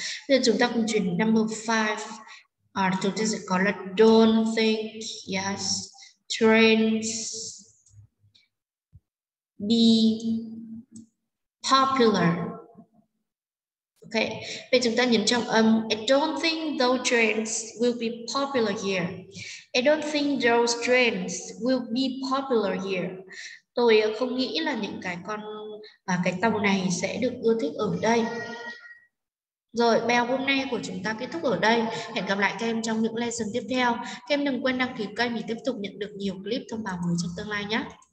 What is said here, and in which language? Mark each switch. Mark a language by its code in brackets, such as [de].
[vi] Bây giờ chúng ta cùng chuyển number 5. Chúng ta sẽ có là [en] don't think, yes, trends be popular. [vi] Okay. Vậy chúng ta nhấn trọng âm. [en] I don't think those trends will be popular here. I don't think those trends will be popular here. [vi] Tôi không nghĩ là những cái tàu này sẽ được ưa thích ở đây. Rồi, bài học hôm nay của chúng ta kết thúc ở đây. Hẹn gặp lại các em trong những lesson tiếp theo. Các em đừng quên đăng ký kênh để tiếp tục nhận được nhiều clip thông báo mới trong tương lai nhé.